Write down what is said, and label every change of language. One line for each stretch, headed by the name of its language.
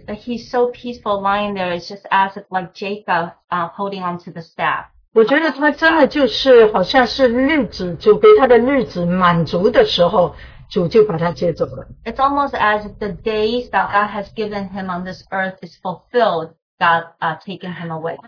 English: That he's so peaceful lying there, it's just as if like Jacob holding onto the staff.
Chinese: 我觉得他真的就是好像是日子，主给他的日子满足的时候，主就把他接走了。
English: It's almost as if the days that God has given him on this earth is fulfilled, God taken him away.